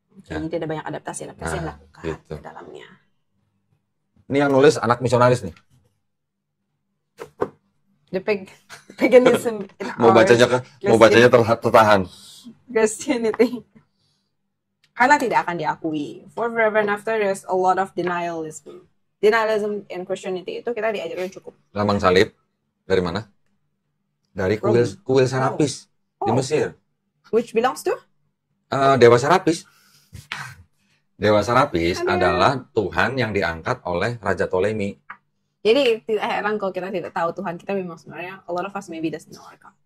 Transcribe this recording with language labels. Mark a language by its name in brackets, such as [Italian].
[Indonesian] Ya. Ini ada banyak adaptasi yang dilakukan gitu. Di dalamnya. Ini yang nulis anak misionaris nih. [English] The paganism in our [Indonesian] mau bacanya tertahan. [English] Christianity. [Indonesian] Karena tidak akan diakui. [English] Forever and after there's a lot of denialism. [Indonesian] Denialism and Christianity itu kita diajarin cukup. Lambang salib dari mana? Dari kuil Serapis di Mesir. [English] Which belongs to? [Indonesian] Dewa Serapis. Dewa Serapis adalah Tuhan yang diangkat oleh Raja Ptolemy. Jadi tidak heran kalau kita tidak tahu Tuhan kita memang sebenarnya [English] a lot of us maybe doesn't know our God.